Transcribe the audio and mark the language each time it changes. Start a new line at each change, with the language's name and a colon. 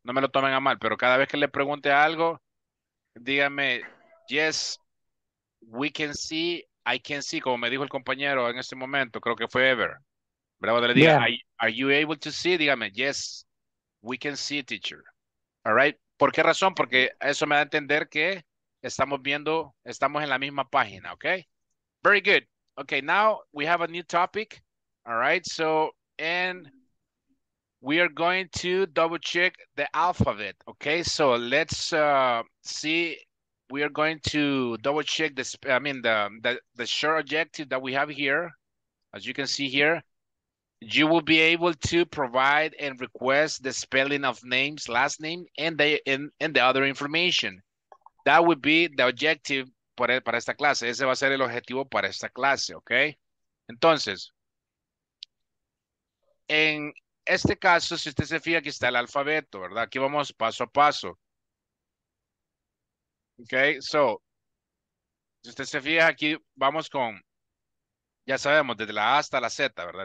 Spanish: No me lo tomen a mal, pero cada vez que le pregunte algo, dígame,
English: yes, we can see, I can see,
Spanish: como me dijo el compañero en este momento, creo que fue Ever. Bravo, le diga,
English: yeah. Are you able to see?
Spanish: Dígame,
English: yes, we can see, teacher. All right.
Spanish: ¿Por qué razón? Porque eso me da a entender que estamos viendo, estamos en la misma página, okay?
English: Very good. Okay, now we have a new topic. All right, so, and we are going to double check the alphabet, okay? So let's see, we are going to double check this, I mean, the short objective that we have here. As you can see here, you will be able to provide and request the spelling of names, last name, and the other information. That would be the objective
Spanish: para esta clase. Ese va a ser el objetivo para esta clase, okay? Entonces, en este caso, si usted se fija, aquí está el alfabeto, ¿verdad? Aquí vamos paso a paso. Okay, so, si usted se fija, aquí vamos con, ya sabemos, desde la A hasta la Z, ¿verdad?